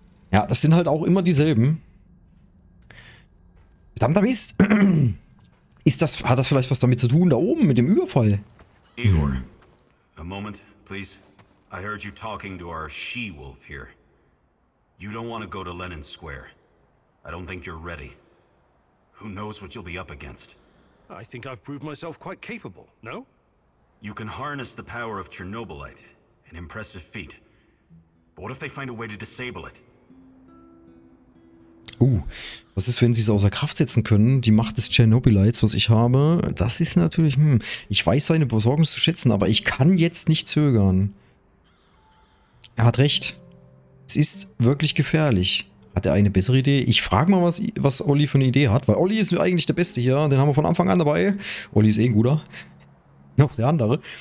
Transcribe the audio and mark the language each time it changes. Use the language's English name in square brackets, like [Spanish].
[German] Ja, das sind halt auch immer dieselben. Verdammter Mist. Hat das vielleicht was damit zu tun, da oben, mit dem Überfall? [English] Igor, a moment, please. I heard you talking to our She-Wolf here. You don't want to go to Lenin Square. I don't think you're ready. Who knows what you'll be up against? I think I've proved myself quite capable, no? You can harness the power of Chernobylite, an impressive feat. But what if they find a way to disable it? [German] Was ist, wenn sie es außer Kraft setzen können? Die Macht des Chernobylites, was ich habe, das ist natürlich, ich weiß seine Besorgnis zu schätzen, aber ich kann jetzt nicht zögern. Er hat recht. Es ist wirklich gefährlich. Hat er eine bessere Idee? Ich frage mal, was Olli für eine Idee hat, weil Olli ist eigentlich der Beste hier, den haben wir von Anfang an dabei. Olli ist eh ein Guter. Noch der andere.